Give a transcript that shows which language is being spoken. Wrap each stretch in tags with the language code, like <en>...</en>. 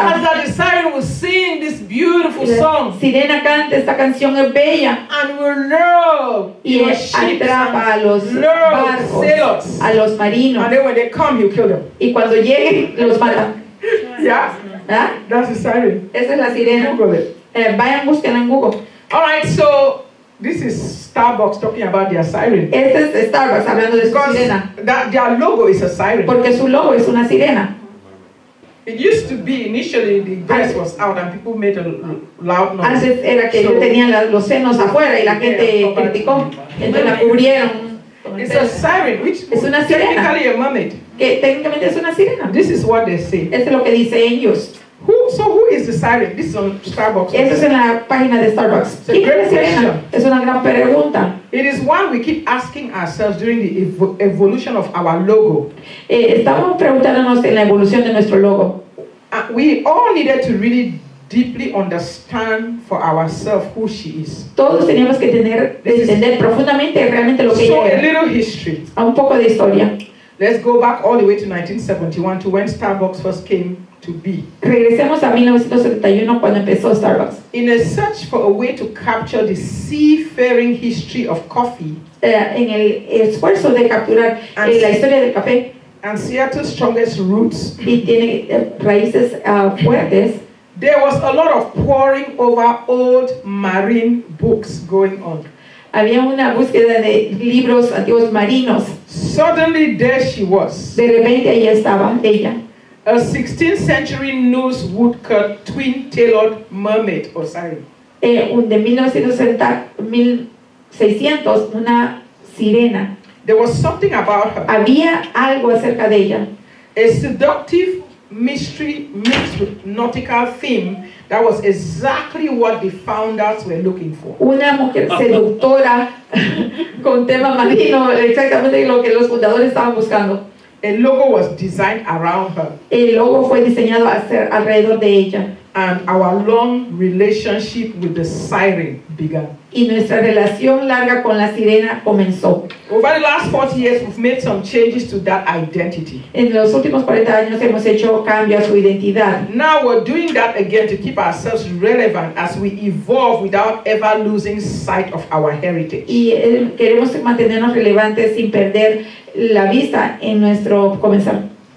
<en>As that the siren will sing this beautiful song.</en> <es>Sirena canta esta canción es bella.</es> <en>And will lure.</en> <es>Y atrapa a los barcos, a los marinos.</es> <en>And then when they come, you kill them.</en> <es>Y cuando lleguen, los matan.</es> <en>Yeah. ¿Ah? That's the siren.</en> <es>Esa es la sirena.</es> <en>Google it.</en> <es>Vayan, búsquenla en Google.</es> <en>All right, so this is Starbucks talking about their siren.</en> <es>Este es Starbucks hablando de</es> <en>because</en> <es>su sirena.</es> <en>That their logo is a siren.</en> <es>Porque su logo es una sirena.</es> <en>It used to be initially the dress was out and people made a loud noise.</en> <es>Antes era que</es> <en>so,</en> <es>tenían los senos afuera y la gente criticó. Entonces la cubrieron.</es> <en>It's a siren, which</en> <es>es una sirena.</es> <en>Technically a mermaid.</en> <es>Que técnicamente es una sirena.</es> <en>This is what they say.</en> <es>Esto es lo que dice ellos.</es> <en>Who is the siren? This is on Starbucks.</en> <es>Esto es en la página de Starbucks. ¿Quién es sirena? Es una gran pregunta.</es> <en>It is one we keep asking ourselves during the evolution of our logo.</en> <es>Estamos preguntándonos en la evolución de nuestro logo.</es> <en>We all needed to really deeply understand for ourselves who she is.</en> <es>Todos teníamos que tener, entender profundamente realmente lo que</es> <en>so</en> <es>ella era.</es> <en>A little history.</en> <es>A un poco de historia.</es> <en>Let's go back all the way to 1971 to when Starbucks first came to be.</en> <es>Regresemos a 1971 cuando empezó Starbucks.</es> <en>In a search for a way to capture the seafaring history of coffee.</en> <es>En el esfuerzo de capturar la historia del café.</es> <en>And Seattle's strongest roots.</en> <es>Y tiene raíces fuertes.</es> <en>There was a lot of poring over old marine books going on.</en> <es>Había una búsqueda de libros antiguos marinos.</es> <en>Suddenly there she was.</en> <es>De repente ahí estaba ella.</es> <en>A 16th century noose woodcut twin-tailed mermaid. Oh, sorry.</en> <es>De 1960, 1600, una sirena.</es> <en>There was something about her.</en> <es>Había algo acerca de ella.</es> <en>A seductive mystery mixed with nautical theme. That was exactly what the founders were looking for.</en> <es>Una mujer seductora con tema marino, exactamente lo que los fundadores estaban buscando.</es> <en>A logo was designed around her.</en> <es>El logo fue diseñado alrededor de ella.</es> <en>And our long relationship with the siren began.</en> <es>Y nuestra relación larga con la sirena comenzó.</es> <en>Over the last 40 years, we've made some changes to that identity.</en> <es>En los últimos 40 años hemos hecho cambios a su identidad.</es> <en>Now we're doing that again to keep ourselves relevant as we evolve without ever losing sight of our heritage.</en> <es>Y queremos mantenernos relevantes sin perder la vista en nuestro comenzar.</es>